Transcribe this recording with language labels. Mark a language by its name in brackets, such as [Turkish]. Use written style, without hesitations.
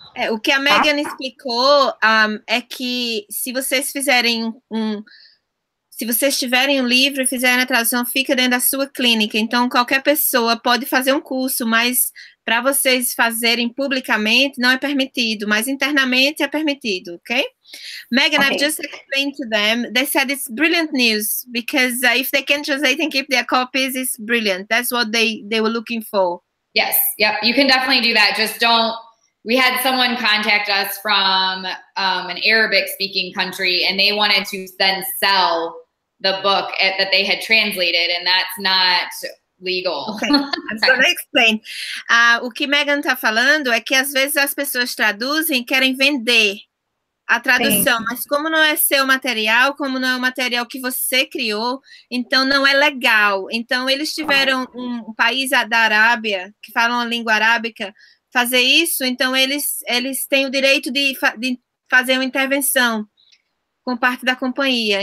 [Portuguese] O que a Megan explicou é que se vocês fizerem se vocês tiverem um livro e fizerem a tradução, fica dentro da sua clínica. Então, qualquer pessoa pode fazer um curso, mas para vocês fazerem publicamente, não é permitido, mas internamente é permitido, ok? [English] Megan, okay. I've just explained to them, they said it's brilliant news, because if they can translate and keep their copies, it's brilliant. That's what they were looking for. Yes, yep, you can definitely do that, just don't. We had someone contact us from an Arabic-speaking country, and they wanted to then sell the book that they had translated, and that's not legal. Okay. I'm going to explain. [Portuguese] O que Megan está falando é que às vezes as pessoas traduzem e querem vender a tradução, sim, mas como não é seu material, como não é o material que você criou, então não é legal. Então eles tiveram um país da Arábia, que falam a língua arábica, fazer isso, então eles têm o direito de fazer uma intervenção com parte da companhia.